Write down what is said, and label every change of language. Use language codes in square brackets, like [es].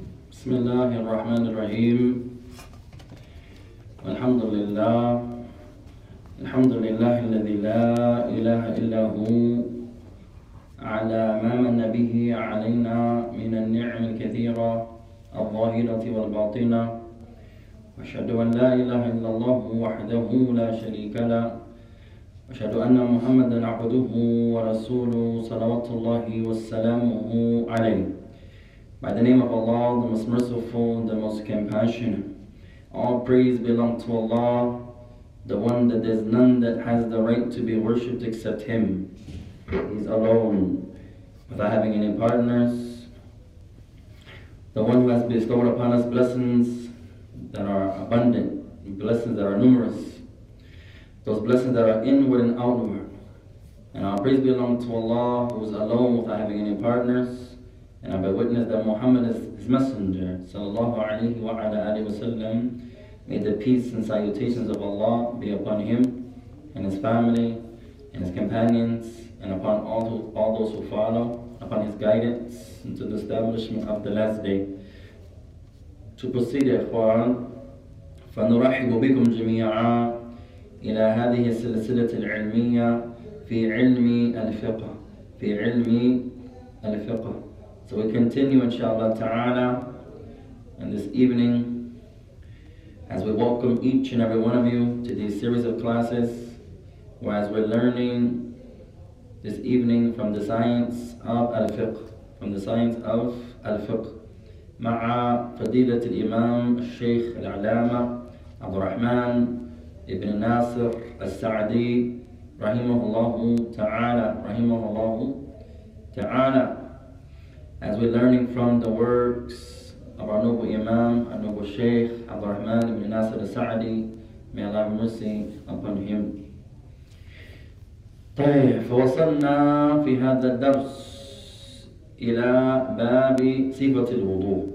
[ar] بسم الله الرحمن الرحيم الحمد لله الحمد لله الذي لا إله إلا هو على ما من به علينا من النعم الكثيرة الظاهرة والباطنة وأشهد أن لا إله إلا الله وحده لا شريك له وأشهد أن محمدا عبده ورسوله صلوات الله وسلامه عليه. [en] By the name of Allah, the most merciful, the most compassionate. All praise belong to Allah, the one that there's none that has the right to be worshipped except Him. He's alone, without having any partners. The one who has bestowed upon us blessings that are abundant, blessings that are numerous. Those blessings that are inward and outward. And all praise belong to Allah, who is alone without having any partners. And I bear witness that Muhammad is His messenger, sallallahu alayhi wa ala alayhi wa sallam. May the peace and salutations of Allah be upon him and his family and his companions and upon all those who follow, upon his guidance into the establishment of the last day. To proceed, [ar] ikhwan, فَنُرَحِبُ بِكُمْ جَمِيعًا إِلَى هَذِهِ السِّلَسِلَةِ الْعِلْمِيَّةِ فِي عِلْمِ الْفِقْهِ فِي عِلْمِ الْفِقْهِ. [en] So we continue, inshallah ta'ala, and this evening, as we welcome each and every one of you to these series of classes, whereas we're learning this evening from the science of al-fiqh, from the science of al-fiqh, [ar] ma'a fadilat al-imam al-shaykh al-alama [en] Abdul Rahman ibn Nasir al-Sa'di rahimahullahu ta'ala, rahimahullahu ta'ala. As we're learning from the works of our noble Imam, our noble Shaykh, Abdul Rahman ibn Nasir al-Sa'di, may Allah have mercy upon him. [ar] فوصلنا في هذا الدرس إلى باب صفة الوضوء.